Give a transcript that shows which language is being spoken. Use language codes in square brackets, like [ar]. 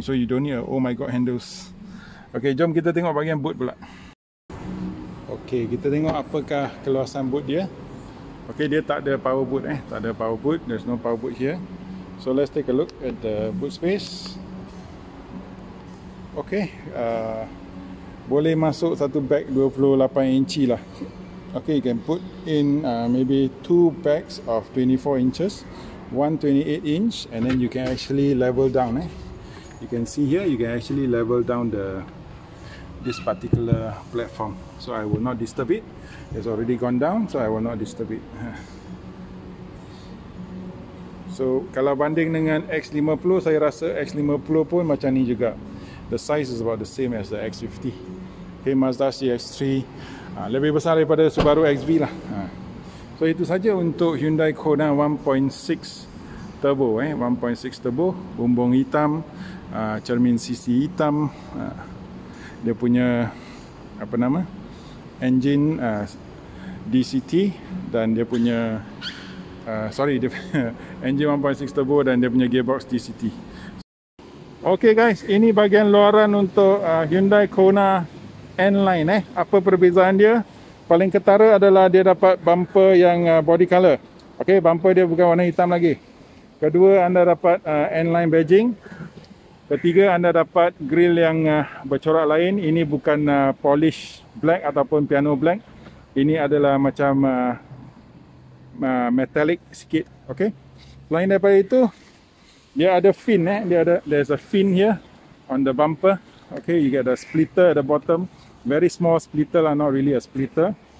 [en] So you don't need a oh my god handles. [ms] Okey, jom kita tengok bahagian boot pula. Okey, kita tengok apakah keluasan boot dia. Okey, dia tak ada power boot eh. Tak ada power boot. [en] There's no power boot here. So let's take a look at the boot space. [ms] Okay, boleh masuk satu bag 28 inci lah. [en] Okay, you can put in maybe two bags of 24 inches, 128 inch, and then you can actually level down eh. You can see here, you can actually level down the this particular platform. So I will not disturb it. It's already gone down, so I will not disturb it. [ms] So kalau banding dengan X50, saya rasa X50 pun macam ni juga. [en] The size is about the same as the X50. Okay, Mazda CX-3. [ms] Lebih besar daripada Subaru XV lah. So itu saja untuk Hyundai Kona 1.6 turbo eh. 1.6 turbo, bumbung hitam, cermin CC hitam. Dia punya apa nama? Engine DCT dan dia punya dia punya engine 1.6 turbo dan dia punya gearbox DCT. Okay guys, ini bahagian luaran untuk Hyundai Kona N-Line eh. Apa perbezaan dia? Paling ketara adalah dia dapat bumper yang body color. Okay, bumper dia bukan warna hitam lagi. Kedua, anda dapat N-Line badging. Ketiga, anda dapat grill yang bercorak lain. Ini bukan polish black ataupun piano black. Ini adalah macam metallic sikit. Okay. Selain daripada itu, dia ada fin eh. Dia ada, [en] there's a fin here on the bumper. Okay, you get a splitter at the bottom. Very small splitter lah, not really a splitter.